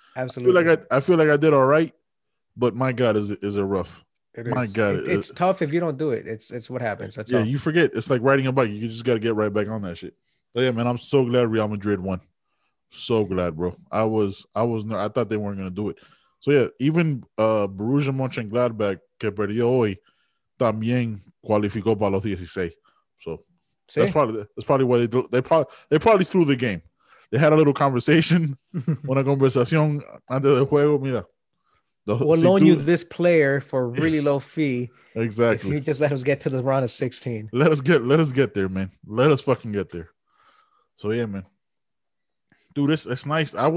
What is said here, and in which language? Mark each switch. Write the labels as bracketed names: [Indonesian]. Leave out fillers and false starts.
[English] I feel like I did all right, but my God, is it rough. My God, it's tough if you don't do it. It's what happens. That's You forget. It's like riding a bike. You just got to get right back on that shit. But yeah, man, I'm so glad Real Madrid won. So glad, bro. I thought they weren't going to do it. So yeah, even [Spanish] Borussia Mönchengladbach, que perdió hoy, también cualificó para los 16. [English] So that's probably why they probably threw the game. They had a little conversation. [Spanish] Una conversación antes del juego. Mira. [English] We'll loan you this player for a really low fee. Exactly. If you just let us get to the round of 16. Let us get there, man. Let us fucking get there. So yeah, man. Dude, it's nice.